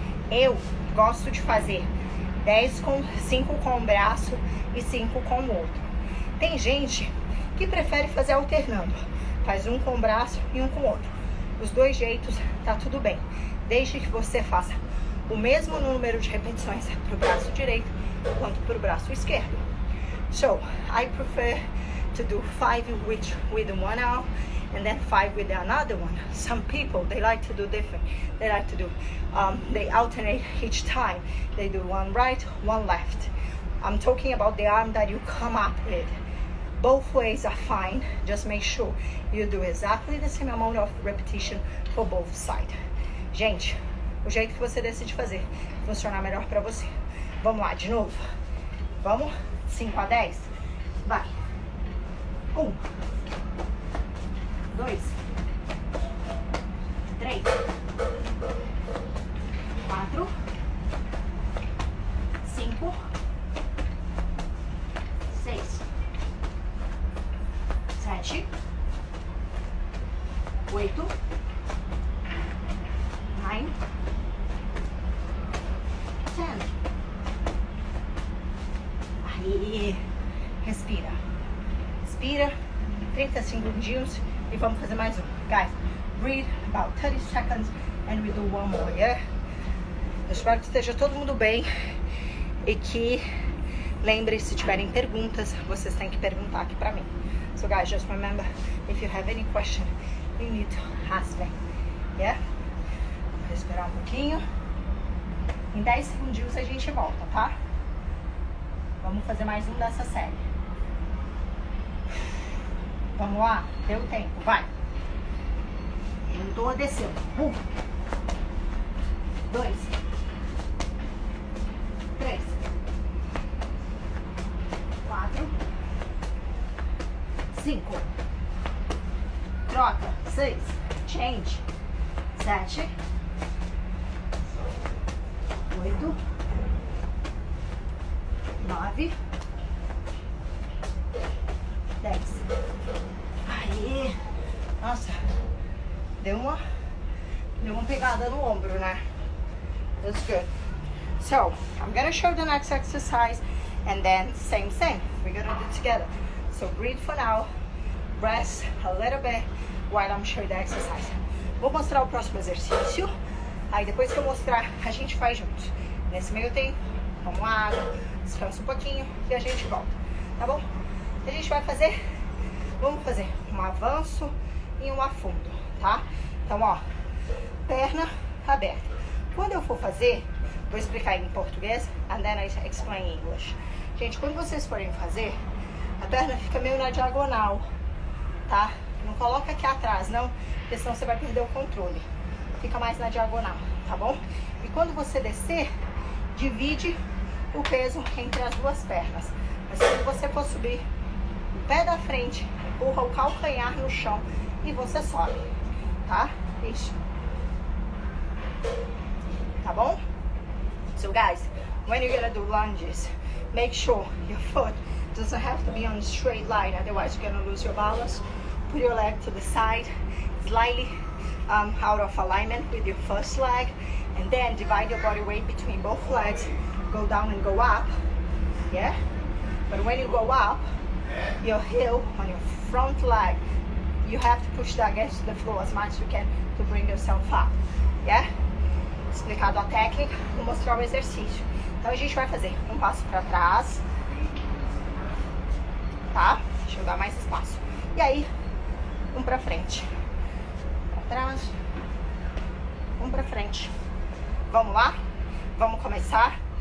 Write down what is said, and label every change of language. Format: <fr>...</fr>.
<pt>Eu gosto de fazer 10 com 5 com um braço e 5 com o outro. Tem gente que prefere fazer alternando. Faz um com o braço e um com o outro. Os dois jeitos, tá tudo bem. Deixe que você faça o mesmo número de repetições para o braço direito quanto para o braço esquerdo.</pt> <en>So, I prefer to do 5 with one arm and then 5 with another one. Some people, they like to do different. They like to do, they alternate each time. They do one right, one left. I'm talking about the arm that you come up with. Both ways are fine. Just make sure you do exactly the same amount of repetition for both sides.</en> <pt>Gente, o jeito que você decide fazer funcionar melhor pra você. Vamos lá, de novo. Vamos? 5 a 10. Vai. 1. 2. 3. 4. 5. 6. 7. 8. 10. Aí, respira. Respira 30 segundos e vamos fazer mais um.</pt> <en>Guys, breathe about 30 seconds and we do one more, yeah?</en> <pt>Eu espero que esteja todo mundo bem e que lembre, se tiverem perguntas, vocês têm que perguntar aqui pra mim.</pt> <en>So guys, just remember, if you have any question, you need to ask me, yeah?</en> <pt>Esperar um pouquinho. Em 10 segundinhos a gente volta, tá? Vamos fazer mais um dessa série. Vamos lá? Deu tempo, vai. Juntou, desceu. 1. 2. 3. 4. 5. Troca. 6. Change. 7. 8, 9, 10. Aí, nossa, deu uma pegada no ombro, né?</pt> <en>That's good. So, I'm gonna show the next exercise and then same. We're gonna do it together. So, breathe for now, rest a little bit while I'm showing the exercise.</en> <pt>Vou mostrar o próximo exercício. Aí, depois que eu mostrar, a gente faz juntos. Nesse meio tempo, toma água, descansa um pouquinho e a gente volta, tá bom? A gente vai fazer, vamos fazer um avanço e um afundo, tá? Então, ó, perna aberta. Quando eu for fazer, vou explicar em português,</pt> <en>and then I explain in English.</en> <pt>Gente, quando vocês forem fazer, a perna fica meio na diagonal, tá? Não coloca aqui atrás, não, porque senão você vai perder o controle. Fica mais na diagonal, tá bom? E quando você descer, divide o peso entre as duas pernas. Mas quando você for subir, o pé da frente empurra o calcanhar no chão e você sobe, tá? Isso. Tá bom?</pt> <en>So guys, when you're gonna do lunges, make sure your foot doesn't have to be on a straight line, otherwise you're gonna lose your balance. Put your leg to the side, slightly out of alignment with your first leg, and then divide your body weight between both legs, go down and go up, yeah? But when you go up, your heel on your front leg, you have to push that against the floor as much as you can to bring yourself up, yeah?</en> <pt>Explicado a técnica, vou mostrar o exercício. Então a gente vai fazer um passo para trás, tá? Deixa eu dar mais espaço. E aí, um para frente. Pra trás, um para frente. Vamos lá? Vamos começar?</pt>